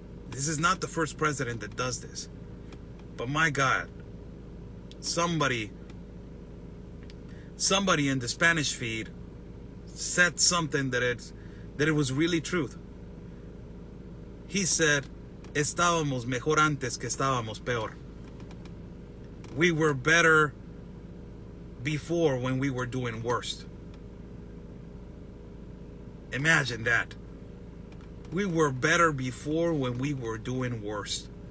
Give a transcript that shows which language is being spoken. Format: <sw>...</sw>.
<en>This is not the first president that does this, but my God, somebody in the Spanish feed said something that it was really truth.</en> <es>He said, "Estábamos mejor antes que estábamos peor."</es> <en>We were better before when we were doing worse. Imagine that. We were better before when we were doing worse.</en>